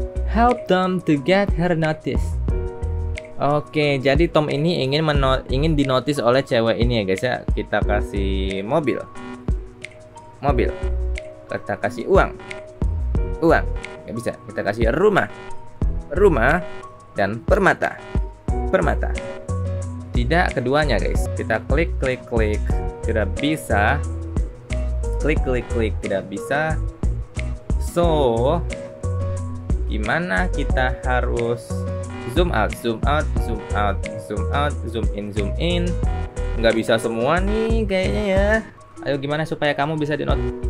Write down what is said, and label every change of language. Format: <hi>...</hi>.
<en>Help Tom to get her notice.</en> <id>Oke, jadi Tom ini ingin dinotis oleh cewek ini ya guys ya. Kita kasih mobil. Kita kasih uang. nggak bisa. Kita kasih rumah, rumah, dan permata, permata. Tidak keduanya, guys. Kita klik, klik, klik. Tidak bisa. Klik, klik, klik. Tidak bisa.</id> <en>So,</en> <id>gimana kita harus</id> <en>zoom out, zoom out, zoom out, zoom out, zoom in, zoom in.</en> <id>Nggak bisa semua nih kayaknya ya. Ayo gimana supaya kamu bisa di note.</id>